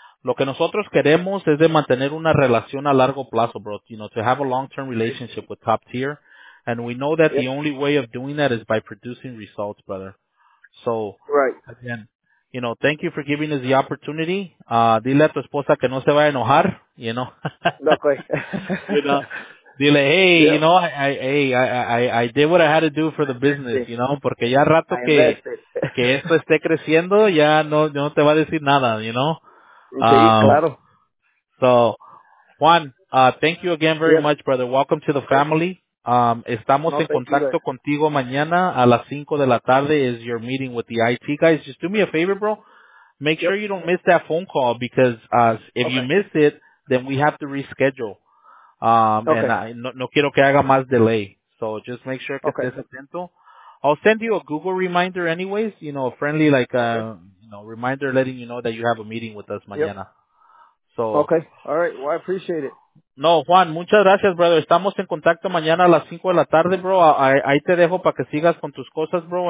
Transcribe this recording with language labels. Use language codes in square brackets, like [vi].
[es] Lo que nosotros queremos es de mantener una relación a largo plazo, bro. [en] You know, to have a long-term relationship with Top Tier. And we know that the only way of doing that is by producing results, brother. So, again, you know, thank you for giving us the opportunity. [es] Dile a tu esposa que no se vaya a enojar, [en] you know. [es] No, pues. [en] You know, [es] dile, [en] hey, you know, I did what I had to do for the business, you know, [es] porque ya rato que esto esté creciendo, ya no te va a decir nada, [en] you know. [es] Claro. [en] So, Juan, thank you again very much, brother. Welcome to the family. [es] Estamos en contacto contigo mañana a las 5 de la tarde [en] is your meeting with the IT guys. Just do me a favor, bro. Make sure you don't miss that phone call because if you miss it, then we have to reschedule. And [es] no quiero que haga más delay. [en] So just make sure [es] que estés atento. [en] I'll send you a Google reminder anyways, you know, a friendly reminder letting you know that you have a meeting with us [es] mañana. [en] So All right. Well, I appreciate it. [es] No, Juan, muchas gracias, [en] brother. [es] Estamos en contacto mañana a las 5 de la tarde, [en] bro. [es] Ahí te dejo para que sigas con tus cosas, bro.